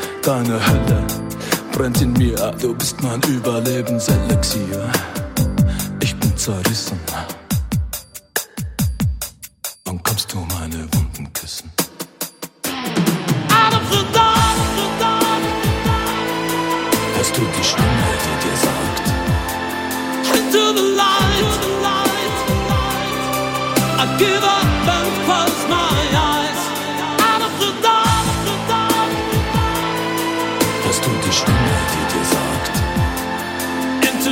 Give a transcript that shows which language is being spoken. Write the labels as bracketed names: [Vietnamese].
[German] Deine Hölle brennt in mir, du bist mein Überlebenselixier. Ich bin zerrissen. Wann kommst du meine Wunden küssen? Atem für Dorn, für Dorn. Hörst du die Stimme, die dir sagt? [English] Into the light, into the light. I give up and close my eyes. [German] Atem für Dorn, für Dorn. Hörst du die Stimme, die dir sagt?